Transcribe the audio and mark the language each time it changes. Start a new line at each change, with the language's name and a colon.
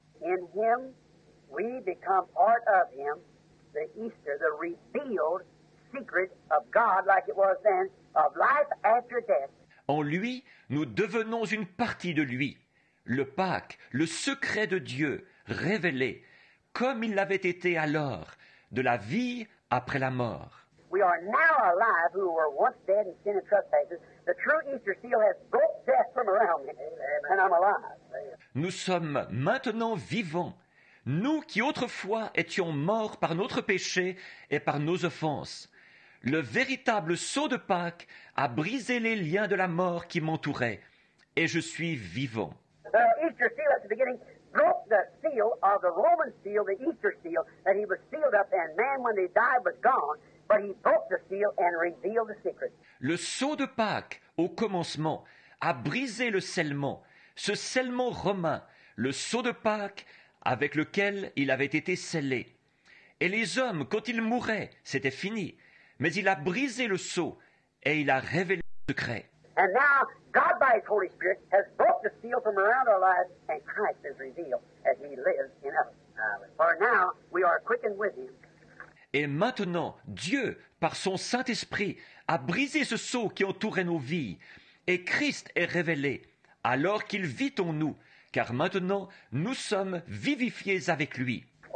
English: In him, we become part of him, the Easter, the revealed secret of God, like it was then, of life after death.
French: En lui, nous devenons une partie de lui. Le Pâques, le secret de Dieu, révélé, comme il l'avait été alors, de la vie après la mort.
English: We are now alive who were once dead in sin and trespasses. The true Easter seal has broke death from around me, and I'm alive.
French: Nous sommes maintenant vivants. Nous qui autrefois étions morts par notre péché et par nos offenses. Le véritable sceau de Pâques a brisé les liens de la mort qui m'entouraient. Et je suis vivant.
English: The Easter seal at the beginning broke the seal of the Roman seal, the Easter seal, that he was sealed up and man when they died was gone, but he broke the seal and revealed the secret.
French: Le sceau de Pâques, au commencement, a brisé le scellement. Ce scellement romain, le sceau de Pâques, avec lequel il avait été scellé. Et les hommes, quand ils mouraient, c'était fini. Mais il a brisé le sceau et il a révélé le secret.
English: And now, God by his Holy Spirit has broke the seal from around our lives and Christ is revealed as he lives in us. For now, we are quickened with him.
French: Et maintenant, Dieu, par son Saint-Esprit, a brisé ce sceau qui entourait nos vies, et Christ est révélé, alors qu'il vit en nous, car maintenant, nous sommes vivifiés avec lui.